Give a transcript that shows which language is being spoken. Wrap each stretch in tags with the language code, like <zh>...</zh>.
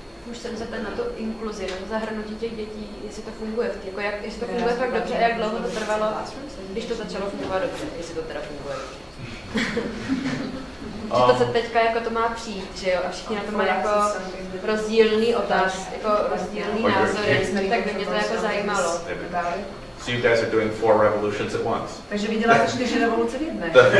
<cs>Už jsem se ptala na to inkluzi, na to zahrnutí těch dětí, jestli to funguje, jako jak, jestli to funguje fakt dobře, jak dlouho to trvalo, když to začalo fungovat dobře, jestli to teda funguje. Že to se teďka jako to má přijít, že jo, a všichni na to mají jako rozdílný otáz, jako rozdílný názor, tak by mě to jako zajímalo.</cs> <en>So you guys are doing four revolutions at once.</en> <cs>Takže vy děláte čtyři revoluce v jedné.</cs>